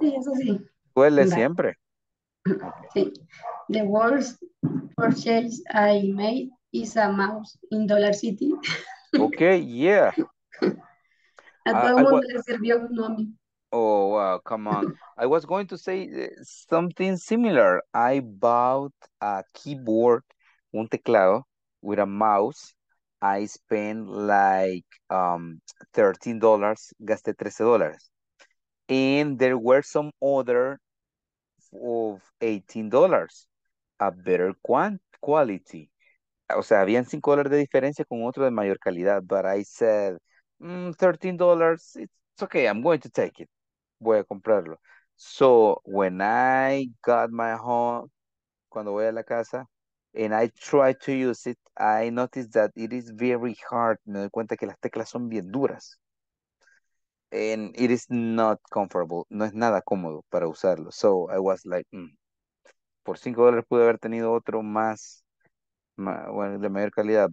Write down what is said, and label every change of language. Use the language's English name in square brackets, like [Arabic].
[Spanish] Sí, eso sí. Duele siempre. Sí. [English] The worst purchase I made is a mouse in Dollar City. Okay, yeah. [Spanish] A todo el mundo le sirvió un nomi. [English] Oh, wow, come on. I was going to say something similar. I bought a keyboard, [Spanish] un teclado, [English] with a mouse. I spent like $13, [Spanish] gasté $13. [English] And there were some other of $18, a better quality. [Spanish] O sea, habían $5 de diferencia con otro de mayor calidad, [English] but I said, $13, it's okay, I'm going to take it. [Spanish] Voy a comprarlo. [English] So, when I got my home, [Spanish] cuando voy a la casa, [English] and I try to use it, I noticed that it is very hard. [Spanish] Me doy cuenta que las teclas son bien duras. [English] And it is not comfortable. [Spanish] No es nada cómodo para usarlo. [English] So I was like, [Spanish] por $5 pude haber tenido otro más bueno, de mayor calidad.